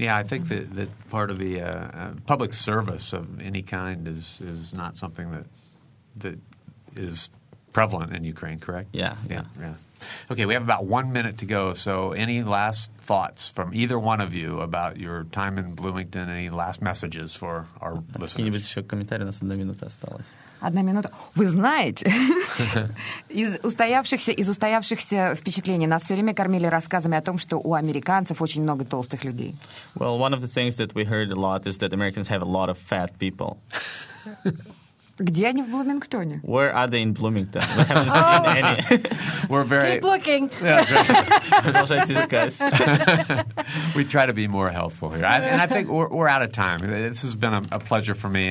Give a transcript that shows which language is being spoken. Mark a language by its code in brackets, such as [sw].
[en] Yeah, I think that part of the public service of any kind is not something that is prevalent in Ukraine, correct? Yeah. Okay, we have about 1 minute to go. So any last thoughts from either one of you about your time in Bloomington? Any last messages for our listeners? [ru] Какие-нибудь еще комментарии? У нас 1 минута осталась. 1 минута. Вы знаете, из устоявшихся впечатлений нас все время кормили рассказами о том, что у американцев очень много толстых людей. [en] Well, one of the things that we heard a lot is that Americans have a lot of fat people. [ru] Где они в Блумингтоне? [en] Where are they in Bloomington? We haven't seen any. We're very... Keep looking. [ru] Продолжайте искать. [en] We try to be more helpful here. And I think we're out of time. This has been a pleasure for me.